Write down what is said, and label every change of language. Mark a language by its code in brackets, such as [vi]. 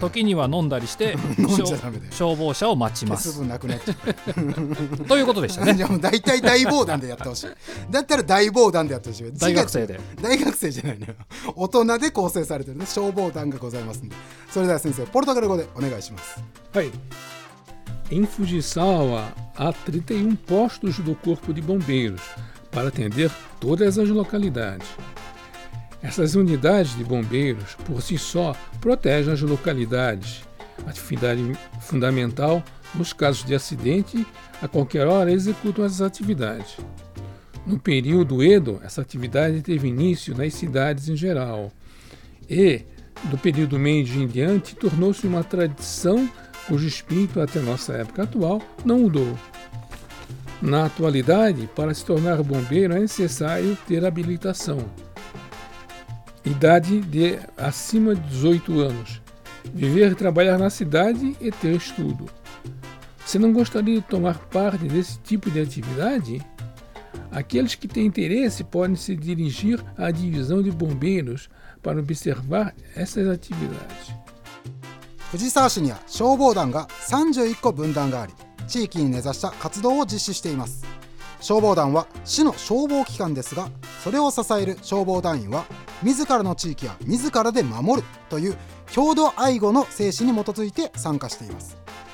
[ja] 時には飲んだりして消防車を待ちます。鉄分なくなっちゃうということでしたね。じゃあもう大体大防弾でやってほしい。だったら大防弾でやってほしい。大学生で、大学生じゃないのよ。大人で構成されてる、ね、消防団がございますんで。それでは先生、ポルトガル語でお願いします。はい。 [pt] Em Fujisawa há 31 postos do Corpo de Bombeiros para atender todas as localidades. Essas unidades de bombeiros, por si só, protegem as localidades. Atividade fundamental nos casos de acidente, a qualquer hora executam as atividades. No período Edo, essa atividade teve início nas cidades em geral. E, do período Meiji em diante, tornou-se uma tradição cujo espírito, até nossa época atual, não mudou. Na atualidade, para se tornar bombeiro é necessário ter habilitação. Idade de acima de 18 anos, viver e trabalhar na cidade e ter estudo. Você não gostaria de tomar parte desse tipo de atividade? Aqueles que têm interesse podem se dirigir à divisão de bombeiros para observar essas atividades. [ja] 藤沢市には消防団が31個分団があり、地域に根ざした活動を実施しています。消防団は市の消防機関ですが、それを支える消防団員は自らの地域は自らで守るという共同愛護の精神に基づいて参加しています。